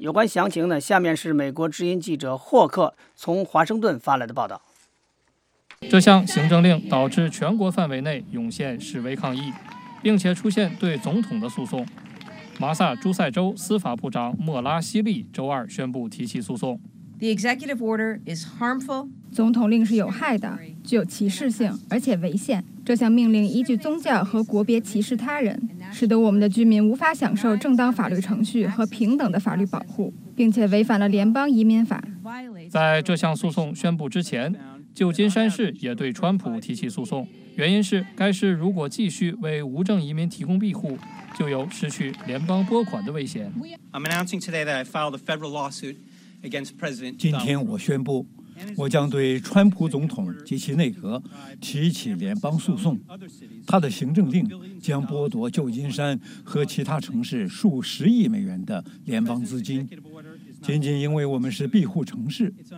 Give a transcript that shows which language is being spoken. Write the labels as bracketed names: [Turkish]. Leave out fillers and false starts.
[Chinese] 有关详情呢，下面是美国之音记者霍克从华盛顿发来的报道。这项行政令导致全国范围内涌现示威抗议，并且出现对总统的诉讼。马萨诸塞州司法部长莫拉希利周二宣布提起诉讼。 [English] The executive order is harmful. [Chinese] 总统令是有害的，具有歧视性，而且违宪。这项命令依据宗教和国别歧视他人，使得我们的居民无法享受正当法律程序和平等的法律保护，并且违反了联邦移民法。在这项诉讼宣布之前，旧金山市也对川普提起诉讼，原因是该市如果继续为无证移民提供庇护，就有失去联邦拨款的危险。 [English] I'm announcing today that I filed a federal lawsuit against President [Chinese] Trump. 今天我宣布，我将对川普总统及其内阁提起联邦诉讼，他的行政令将剥夺旧金山和其他城市数十亿美元的联邦资金，仅仅因为我们是庇护城市。